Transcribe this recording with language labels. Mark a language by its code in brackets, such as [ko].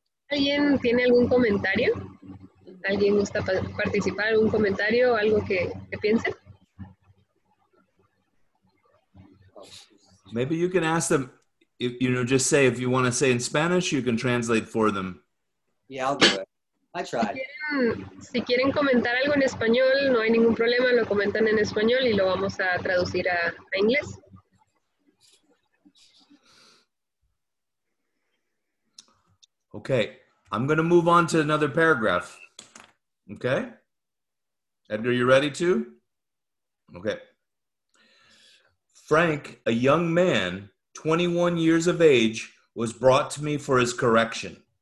[es] ¿Alguien tiene algún comentario? ¿Alguien gusta participar? ¿Algún comentario o algo que piense? [en] Maybe you can ask them, If, you know, just say, if you want to say in Spanish, you can translate for them. Yeah, I'll do it. I tried. [es] Si quieren comentar algo en español, no hay ningún problema, lo comentan en español y lo vamos a traducir a inglés. [en] Okay, I'm going to move on to another paragraph. Okay? Edgar, you ready to? Okay. Frank, a young man, 21 years of age, was brought to me for his correction.